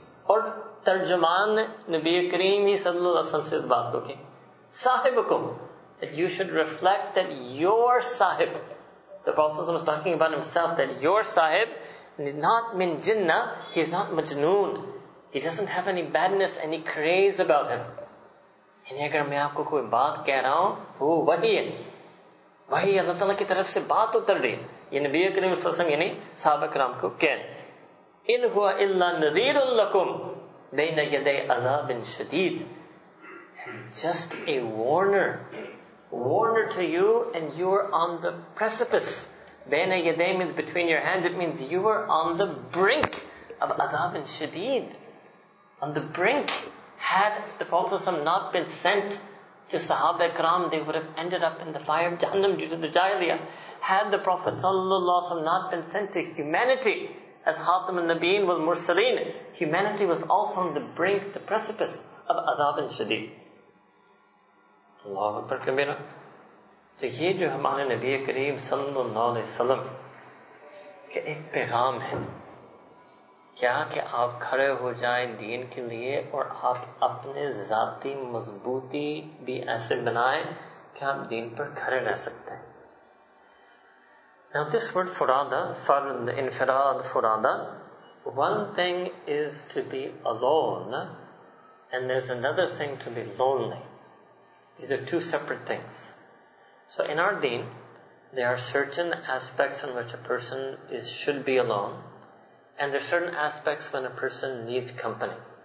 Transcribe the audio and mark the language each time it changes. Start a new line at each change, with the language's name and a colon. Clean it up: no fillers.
Urdu: اور ترجمان نبی کریم ہی صلی اللہ علیہ وسلم سے اس بات کو کہ صاحبکم,
English: that you should reflect that your sahib, the Prophet was talking about himself, that your sahib is not min jinnah, he is not majnoon, he doesn't have any badness, any craze about him. And if I am telling you something, it is the wahi. The wahi is Allah Ta'ala's side of the wahi. This is the Nabi Kareem Sallallahu Alaihi Wasallam, meaning the Sahaba Kiram. In huwa illa nadhirun lakum bayna yaday adhabin shadeed, just a warner to you and you are on the precipice. Baina yaday means between your hands, it means you are on the brink of adab and shadeed, on the brink. Had the Prophet not been sent to sahaba ikram, they would have ended up in the fire of jahannam due to the jahiliyah. Had the Prophet not been sent to humanity as khatam al-nabiyin wal mursaleen, humanity was also on the brink, the precipice of adab and shadeed.
Urdu: اللہ اکبر کبیرہ. تو یہ جو ہمارے نبی کریم صلی اللہ علیہ وسلم کا ایک پیغام ہے, کیا کہ آپ کھڑے ہو جائیں دین کے لیے اور آپ اپنے ذاتی مضبوطی بھی ایسے بنائیں کہ آپ دین پر کھڑے رہ سکتے ہیں.
English: Now this word furada, فرد, انفراد, فرادا, one thing is to be alone and there's another thing to be lonely. These are two separate things. So in our deen, there are certain aspects in which a person should be alone, and there are certain aspects when a person needs company.